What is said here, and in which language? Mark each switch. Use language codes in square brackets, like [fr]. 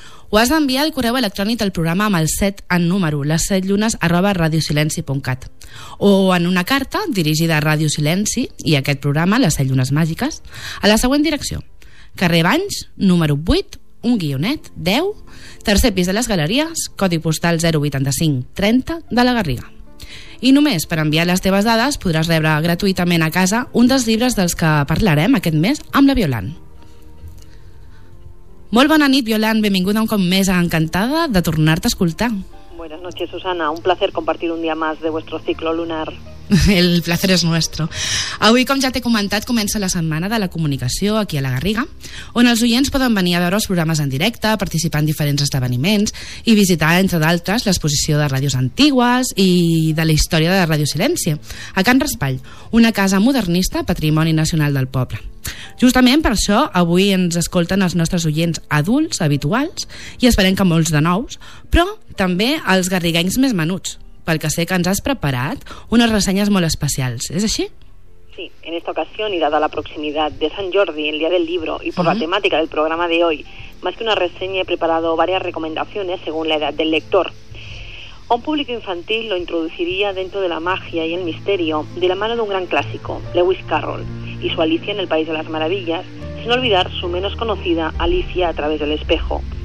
[ca] Ho has d'enviar al correu electrònic del programa amb el 7 en número, les7llunes@radiosilenci.cat, o en una carta dirigida a Ràdio Silenci i a aquest programa, les 7 llunes màgiques, a la següent direcció: carrer Banys, número 8, 1-10, tercer pis de les Galeries, codi postal 08530 de la Garriga. I només per enviar les teves dades podràs rebre gratuïtament a casa un dels llibres dels que parlarem aquest mes amb la Violant. Molt bona nit, Violant. Benvinguda un cop més, encantada de tornar-te a escoltar. [es] Buenas noches, Susana. Un placer compartir un dia más de vuestro ciclo lunar. El placer és nuestro. [ca] Avui, com ja t'he comentat, comença la setmana de la comunicació aquí a la Garriga, on els oients poden venir a veure els programes en directe, participar en diferents esdeveniments i visitar, entre d'altres, l'exposició de ràdios antigues i de la història de la Ràdio Silenci, a Can Raspall, una casa modernista, patrimoni nacional del poble. Justament per això, avui ens escolten els nostres oients adults, habituals, i esperem que molts de nous, però també els garriguencs més menuts, pel que sé que ens has preparat unes ressenyes molt especials, és així? [es] Sí, en esta ocasión y dada la proximidad de Sant Jordi, el Dia del Libro, y por la temática del programa de hoy, más que una reseña he preparado varias recomendaciones según la edad del lector. A un público infantil lo introduciría dentro de la magia y el misterio de la mano de un gran clásico, Lewis Carroll, y su Alicia en el País de las Maravillas, sin olvidar su menos conocida Alicia a través del espejo.